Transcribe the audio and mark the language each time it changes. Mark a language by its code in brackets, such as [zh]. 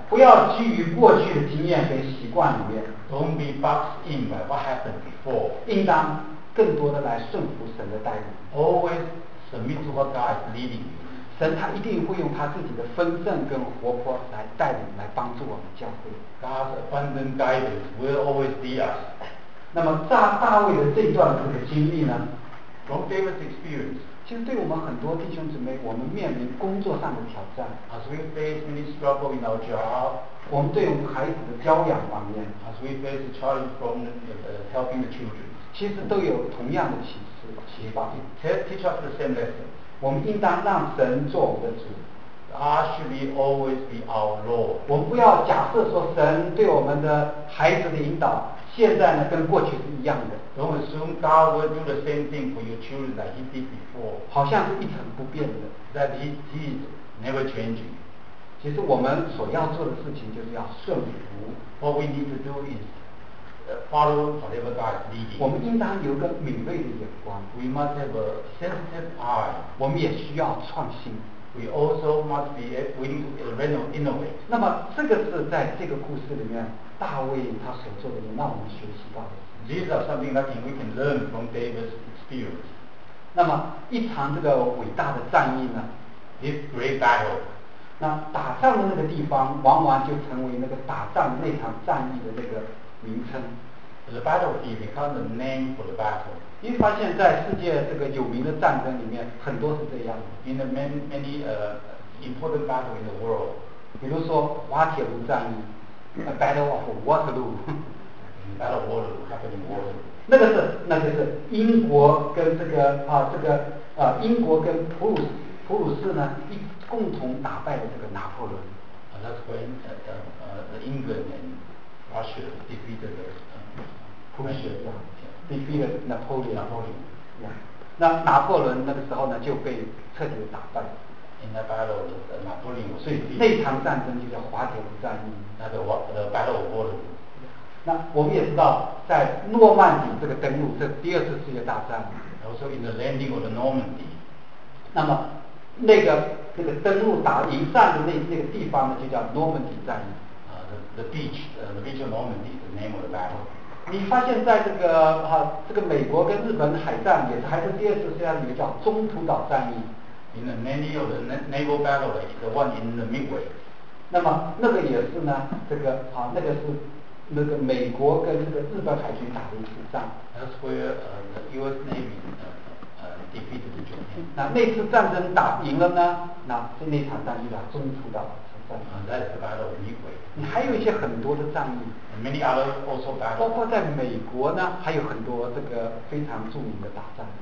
[zh] 不要基于过去的经验和习惯里面。 [en] Don't be boxed in by what happened before. [zh] 应当更多的来顺服神的带领。 [en] Always submit to what God is leading you. [zh] 神他一定会用他自己的丰盛跟活泼来带领来帮助我们教会。 [en] God's abundant guidance will always be us. [zh] 那么在大卫的这段这个经历呢， [en] from David's experience， [zh] 其实对我们很多弟兄姊妹，我们面临工作上的挑战， [en] as we face many struggle in our job， [zh] 我们对我们孩子的教养方面， [en] as we face the challenge from helping the children， [zh] 其实都有同样的启示启发。 [en] teach us the same lesson。 [zh] 我们应当让神做我们的主。 [en] God should be always be our Lord。 [zh] 我们不要假设说神对我们的孩子的引导，现在呢跟过去是一样的。 [en] Don't assume God will do the same thing for your children that He did before。 [zh] 好像是一成不变的。 [en] That He is never changing。 [zh] 其实我们所要做的事情就是要顺服。 [en] What we need to do is follow whatever God is leading。 [zh] 我们应当有个敏锐的眼光。 [en] We must have a sensitive eye。 [zh] 我们也需要创新。 [en] We also must be willing to innovate。 [zh] 那么这个是在这个故事里面，大卫他所做的，让我们学习到的。 [en] These are something that we can learn from David's experience。 [zh] 那么一场这个伟大的战役呢 [en] ？This great battle。 [zh] 那打仗的那个地方，往往就成为那个打仗那场战役的那个名称。 [en] The battlefield becomes the name for the battle。 [zh] 你发现在世界这个有名的战争里面，很多是这样的。 [en] In the many important battle in the world， [zh] 比如说滑铁卢战役 ， [en] A Battle of Waterloo。 Battle of Waterloo happened in Waterloo。 [zh] 那个是英国跟这个啊这个啊英国跟普鲁士呢一共同打败了这个拿破仑。 [en] That's when the England and Russia defeated the Prussia。 defeated Napoleon、 yeah. [zh] 那拿破仑那个时候呢就被彻底打败。 [en] In the battle of Napoleon， [zh] 所以那场战争就叫滑铁卢战役。 [en] The battle of Waterloo。 [zh] 那我们也知道，在诺曼底这个登陆，这第二次世界大战。 [en] Also in the landing of the Normandy。 [zh] 那么那个登陆打迎战的那个地方呢，就叫诺曼底战役。 [en] The beach of Normandy， the name of the battle。 [zh] 你发现在这个哈、啊、这个美国跟日本海战也是还是第二次世界上一个叫中途岛战役。 [en] In the many of the naval battle, the one in the Midway。 [zh] 那么那个也是呢，这个啊那个是那个美国跟这个日本海军打的一次仗。 [en] That's where the U.S. Navy defeated the Japan。 [zh] 那次战争打赢了呢，那是那场战役的中途岛。 [en] That's the battle of Midway。 [zh] 你还有一些很多的战役。 [en] Many other also battles。 [zh] 包括在美国呢，还有很多这个非常著名的大战。